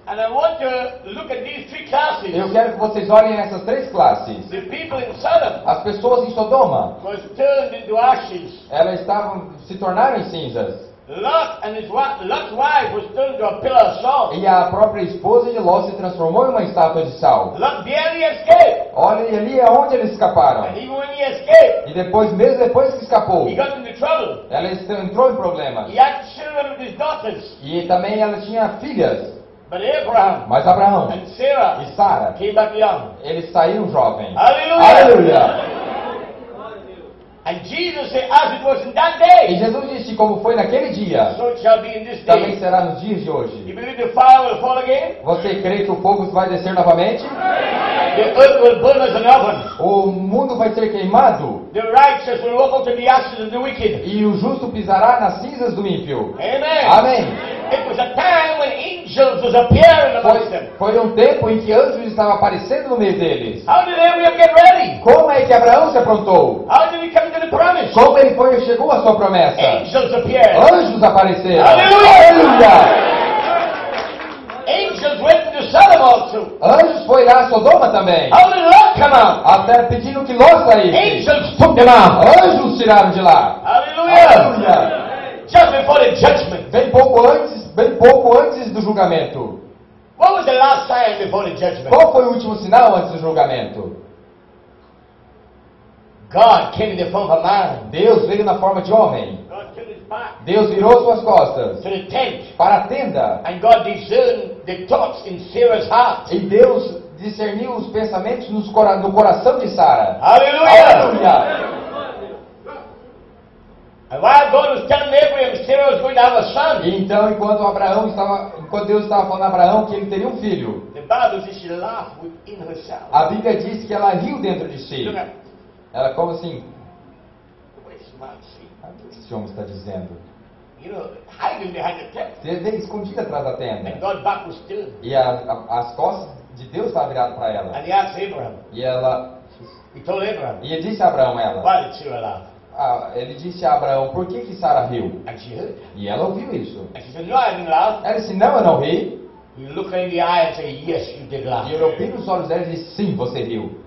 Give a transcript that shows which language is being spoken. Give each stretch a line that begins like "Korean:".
English: And I want to look at these three classes.
Portuguese: Eu quero que vocês olhem essas três classes.
English: The people in Sodom.
Portuguese: As pessoas em Sodoma.
English: Was turned into ashes.
Portuguese: Elas estavam se tornaram em cinzas.
English: Lot and his wife, Lot's wife was turned to a pillar of salt.
Portuguese: E a própria esposa de Ló se transformou em uma estátua de sal.
English: Lot barely escaped.
Portuguese: Olha ali aonde eles escaparam.
English: And even when he escaped,
Portuguese: e depois, mesmo depois que escapou,
English: he got into trouble.
Portuguese: Ela entrou em problemas.
English: He had children with his daughters.
Portuguese: E também ela tinha filhas.
English: But Abraham,
Portuguese: mas Abraão
English: and Sarah,
Portuguese: e Sara,
English: came back young.
Portuguese: Eles saíram jovens. Aleluia! Aleluia!
English: And Jesus said, as it was in that day.
Portuguese: E Jesus disse como foi naquele dia.
English: So it shall be in this day.
Portuguese: Também será nos dias de hoje.
English: You believe the fire will fall again?
Portuguese: Você crê que o fogo vai descer novamente?
English: The earth will burn as an oven.
Portuguese: O mundo vai ser queimado.
English: The righteous will walk onto the ashes of the wicked.
Portuguese: E o justo pisará nas cinzas do ímpio.
English: Amen.
Portuguese: Amém.
English: It was a time when angels was appearing amongst them.
Portuguese: Foi um tempo em que anjos estavam aparecendo no meio deles.
English: How did Abraham get ready?
Portuguese: Como é que Abraão se aprontou?
English: How did he come to the promise?
Portuguese: Como ele foi, chegou à sua promessa?
English: Angels appeared.
Portuguese: Anjos apareceram. Aleluia! Aleluia!
English: Angels went to Sodom also.
Portuguese: Anjos foi lá a Sodoma também.
English: How did Lot come out?
Portuguese: Até pedindo que Ló saísse.
English: Angels took them out.
Portuguese: Anjos tiraram de lá. Aleluia! Aleluia!
English: Just before the judgment.
Portuguese: Bem pouco antes do julgamento.
English: What was the last sign before the judgment?
Portuguese: Qual foi o último sinal antes do julgamento?
English: God came in the form of a man.
Portuguese: Deus veio na forma de homem.
English: God turned his back.
Portuguese: Deus virou suas costas.
English: To the tent.
Portuguese: Para a tenda.
English: And God discerned the thoughts in Sarah's heart.
Portuguese: E Deus discerniu os pensamentos no coração de Sara. Aleluia! Aleluia!
English: And while God was telling Abraham Sarah was going to have a son.
Portuguese: E então, enquanto Deus estava falando a Abraão que ele teria um filho.
English: The Bible says she laughed within herself.
Portuguese: A Bíblia diz que ela riu dentro de si.
English: Look at,
Portuguese: ela como assim?
English: What
Portuguese: is esse homem está dizendo?
English: You know, hiding behind the tent.
Portuguese: Você escondida atrás da tenda.
English: And God back was still.
Portuguese: E as costas de Deus estavam viradas para ela.
English: And he asked Abraham.
Portuguese: E ela.
English: He told Abraham.
Portuguese: E disse a Abraão ela.
English: Why did she laugh?
Portuguese: Ah, ele disse a Abraão, por que Sara riu?
English: And she heard.
Portuguese: E ela ouviu isso.
English: And she said, no, I didn't laugh.
Portuguese: Ela disse, não, eu não ri.
English: You look her in the eye and say, yes, you did laugh.
Portuguese: E eu olhei nos olhos dela e disse, sim, você riu.